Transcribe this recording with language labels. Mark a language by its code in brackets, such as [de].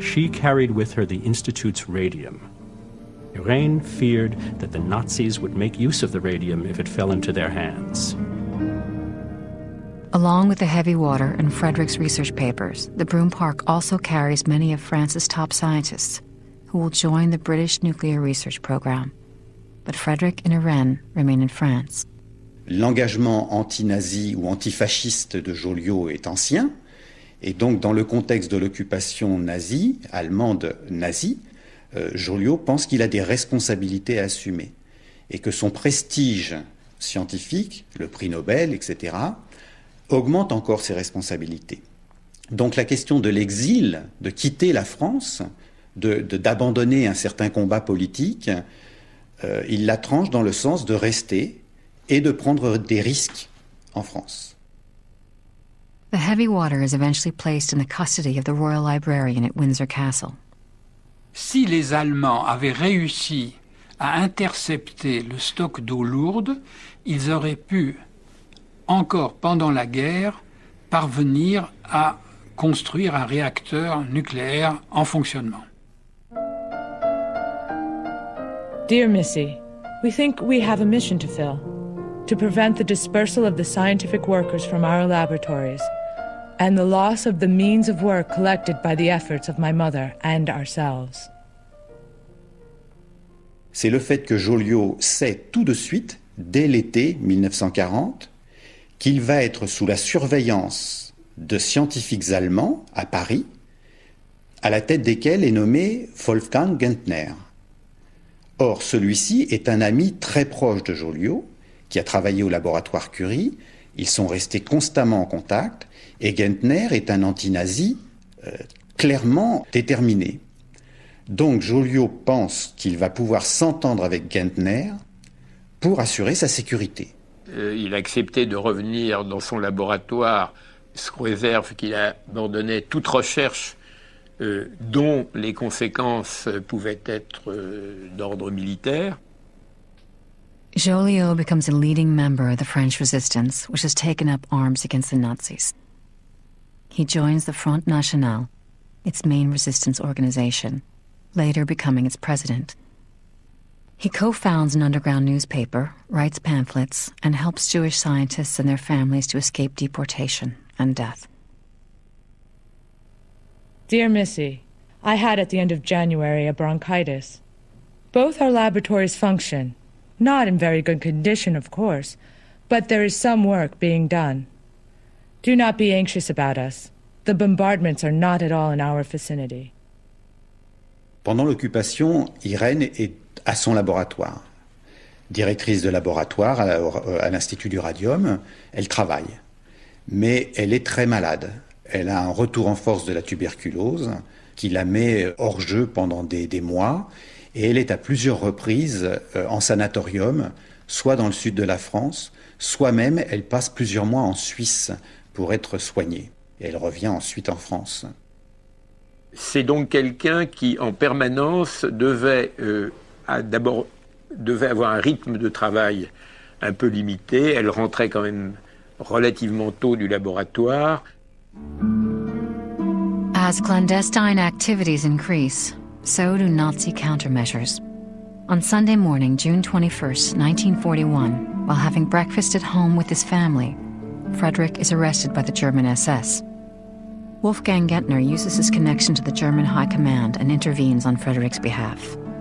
[en] She carried with her the Institute's radium. Irene feared that the Nazis would make use of the radium if it fell into their hands. Along with the heavy water and Frederick's research papers, the Broom Park also carries many of France's top scientists who will join the British nuclear research program. But Frederick and Irène remain in France. [fr] L'engagement anti-nazi ou anti-fasciste de Joliot est ancien, et donc dans le contexte de l'occupation nazie, allemande nazie, Joliot pense qu'il a des responsabilités à assumer et que son prestige scientifique, le prix Nobel, etc., augmente encore ses responsabilités. Donc la question de l'exil, de quitter la France, d'abandonner un certain combat politique, il la tranche dans le sens de rester et de prendre des risques en France. [en] The heavy water is eventually placed in the custody of the Royal Librarian at Windsor Castle. [fr] Si les Allemands avaient réussi à intercepter le stock d'eau lourde, ils auraient pu encore pendant la guerre, parvenir à construire un réacteur nucléaire en fonctionnement. [en] Dear Missy, we think we have a mission to fill, to prevent the dispersal of the scientific workers from our laboratories and the loss of the means of work collected by the efforts of my mother and ourselves. [fr] C'est le fait que Joliot sait tout de suite, dès l'été 1940, qu'il va être sous la surveillance de scientifiques allemands à Paris, à la tête desquels est nommé Wolfgang Gentner. Or, celui-ci est un ami très proche de Joliot, qui a travaillé au laboratoire Curie. Ils sont restés constamment en contact, et Gentner est un anti-nazi clairement déterminé. Donc Joliot pense qu'il va pouvoir s'entendre avec Gentner pour assurer sa sécurité. Il acceptait de revenir dans son laboratoire sous réserve qu'il abandonnait toute recherche dont les conséquences pouvaient être d'ordre militaire. [en] Joliot becomes a leading member of the French resistance, which has taken up arms against the Nazis. He joins the Front National, its main resistance organization, later becoming its president. He co-founds an underground newspaper, writes pamphlets, and helps Jewish scientists and their families to escape deportation and death. Dear Missy, I had at the end of January a bronchitis. Both our laboratories function, not in very good condition, of course, but there is some work being done. Do not be anxious about us. The bombardments are not at all in our vicinity. [fr] Pendant l'occupation, Irène est à son laboratoire. Directrice de laboratoire à l'Institut du Radium, elle travaille. Mais elle est très malade. Elle a un retour en force de la tuberculose qui la met hors jeu pendant des mois. Et elle est à plusieurs reprises en sanatorium, soit dans le sud de la France, soit même elle passe plusieurs mois en Suisse pour être soignée. Et elle revient ensuite en France. C'est donc quelqu'un qui, en permanence, devait avoir un rythme de travail un peu limité. Elle rentrait quand même relativement tôt du laboratoire. [en] As clandestine activities increase, so do Nazi countermeasures. On Sunday morning, June 21st, 1941, while having breakfast at home with his family, Frederick is arrested by the German SS. Wolfgang Gentner uses his connection to the German high command and intervenes on Frederick's behalf.